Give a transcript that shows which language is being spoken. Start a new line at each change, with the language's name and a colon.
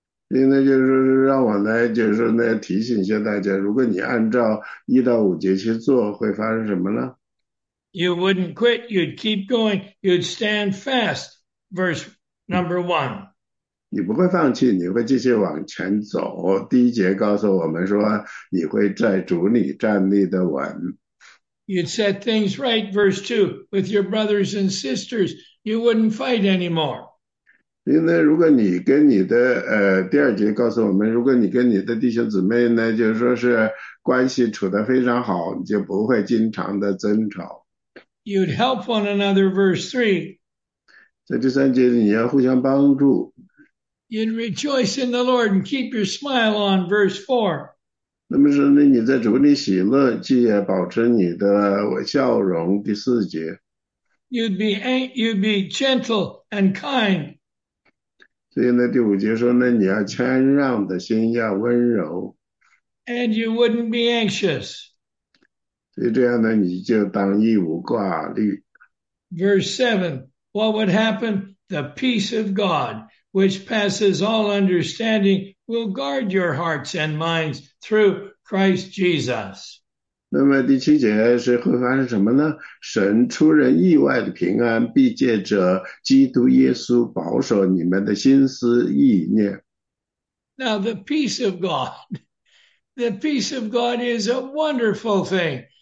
Chinese: 因为就是让我呢，就是说呢，提醒一下大家，如果你按照1到5节去做，会发生什么呢？
English: You wouldn't quit, you'd keep going, you'd stand fast. Verse number one.
Chinese: 你不会放弃，你会继续往前走。第一节告诉我们说，你会在主里站立得稳。
English: You'd set things right, verse two, with your brothers and sisters, you wouldn't fight anymore.
Chinese: 因为如果你跟你的第二节告诉我们，如果你跟你的弟兄姊妹呢，就是说是关系处得非常好，你就不会经常的争吵。
English: You'd help one another, verse 3.
Chinese: 在第三节你要互相帮助。
English: You'd rejoice in the Lord and keep your smile on, verse 4.
Chinese: 那么说呢，你在主里喜乐，既也保持你的笑容。第四节，
English: You'd be gentle and kind.
Chinese: 所以呢，第五节说呢，你要谦让的心，要温柔。
English: And you wouldn't be anxious.
Chinese: 所以这样呢，你就当一无挂虑。
English: Verse 7, what would happen? The peace of God, which passes all understanding, will guard your hearts and minds through Christ Jesus.
Chinese: 那么第七节是会发生什么呢？神出人意外的平安，必借着基督耶稣保守你们的心思意念。
English: Now, the peace of God is a wonderful thing.